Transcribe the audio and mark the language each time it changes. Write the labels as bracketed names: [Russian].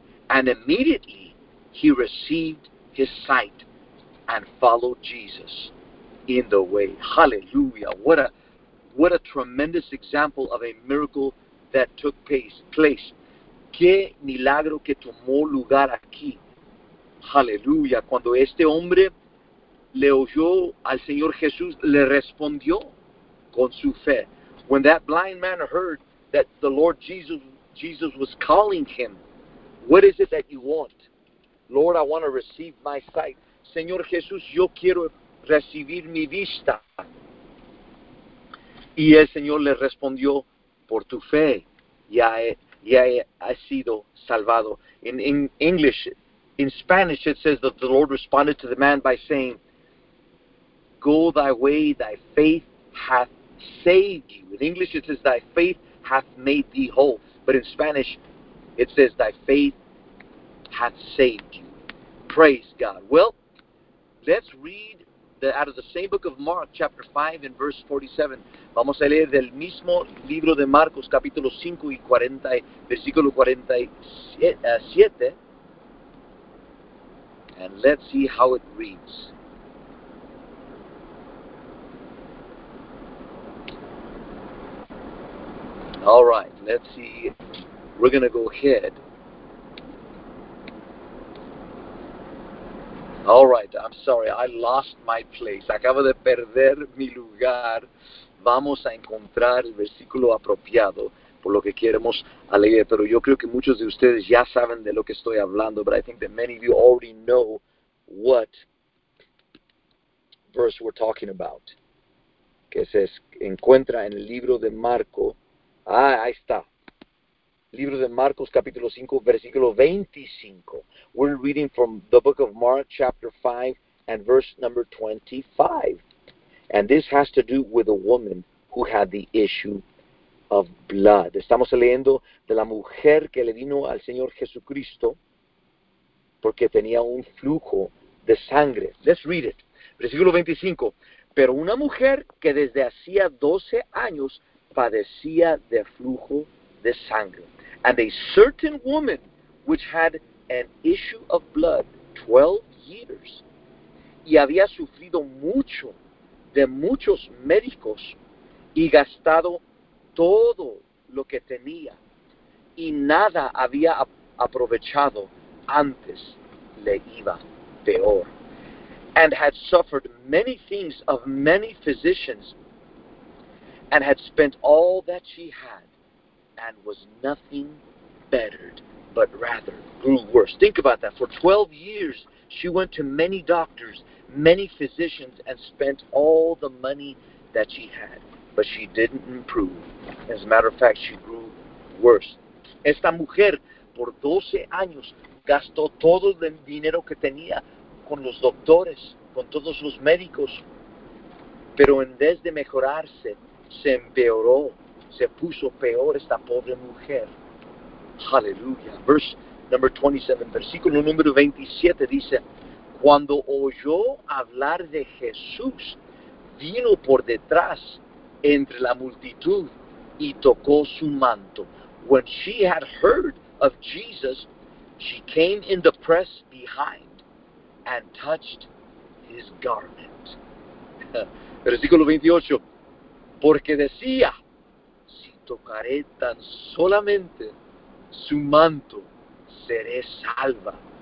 [English] And immediately he received his sight and followed Jesus in the way. Hallelujah. What a tremendous example of a miracle that took place. [Spanish] Qué milagro que tomó lugar aquí. Hallelujah. Cuando este hombre le oyó al Señor Jesús, le respondió con su fe. [English] When that blind man heard that the Lord Jesus was calling him, what is it that you want? Lord, I want to receive my sight. [Spanish] Señor Jesús, yo quiero recibir mi vista. Y el Señor le respondió, por tu fe, ya he sido salvado. [English] In English, in Spanish, it says that the Lord responded to the man by saying, go thy way, thy faith hath saved you. In English, it says, thy faith hath made thee whole. But in Spanish, it says, thy faith hath saved you. Praise God. Well, let's read out of the same book of Mark, chapter 5 and verse 47. [Spanish] Vamos a leer del mismo libro de Marcos, capítulo 5 y 40, versículo 47. [English] And let's see how it reads. All right, let's see. We're going to go ahead. All right, I'm sorry, I lost my place. [Spanish] Acabo de perder mi lugar. Vamos a encontrar el versículo apropiado por lo que queremos leer. Pero yo creo que muchos de ustedes ya saben de lo que estoy hablando, [English] but I think that many of you already know what verse we're talking about. [Spanish] Que se encuentra en el libro de Marco. Ah, ahí está. Libro de Marcos, capítulo 5, versículo 25. [English] We're reading from the book of Mark, chapter 5, and verse number 25. And this has to do with a woman who had the issue of blood. [Spanish] Estamos leyendo de la mujer que le vino al Señor Jesucristo porque tenía un flujo de sangre. [English] Let's read it. [Spanish] Versículo 25. Pero una mujer que desde hacía 12 años padecía de flujo de sangre. [English] And a certain woman which had an issue of blood 12 years [Spanish] y había sufrido mucho de muchos médicos y gastado todo lo que tenía y nada había aprovechado, antes le iba peor. [English] And had suffered many things of many physicians and had spent all that she had and was nothing bettered, but rather grew worse. Think about that. For 12 years, she went to many doctors, many physicians, and spent all the money that she had, but she didn't improve. As a matter of fact, she grew worse. [Spanish] Esta mujer, por 12 años, gastó todo el dinero que tenía con los doctores, con todos los médicos, pero en vez de mejorarse, se empeoró. Se puso peor esta pobre mujer. Hallelujah. [English] Verse number 27, [Spanish] versículo número 27 dice, cuando oyó hablar de Jesús, vino por detrás entre la multitud y tocó su manto. [English] When she had heard of Jesus, she came in the press behind and touched his garment. [Spanish] Versículo 28, porque decía, tocaré tan solamente su manto, seré salva.